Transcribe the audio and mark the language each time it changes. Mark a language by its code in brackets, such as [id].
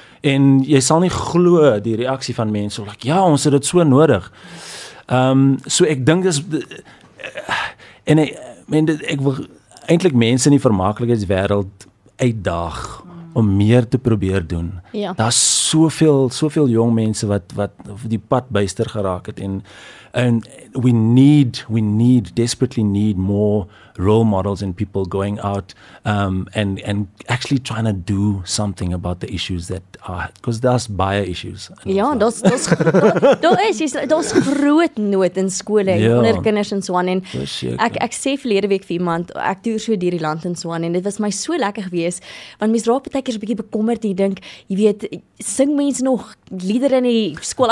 [af] En jy sal nie glo die reaksie van mense. Like, ja, ons het dit so nodig. So ek dink, ek wil eintlik mense in die vermaaklikheidswêreld uitdaag om meer te probeer doen. Ja. Daar's soveel jong mense wat die pad byster geraak het [en] and we desperately need more role models and people going out and actually trying to do something about the issues that are because there's bias issues. [af] Ja, daar's groot nood in skole en onder kinders in Swan en ek sê verlede week vir iemand ek toer so deur die land in Swan en dit was my so lekker gewees want mense raak baie keer 'n bietjie bekommerd en dink jy weet sing mense nog liedere in die skool.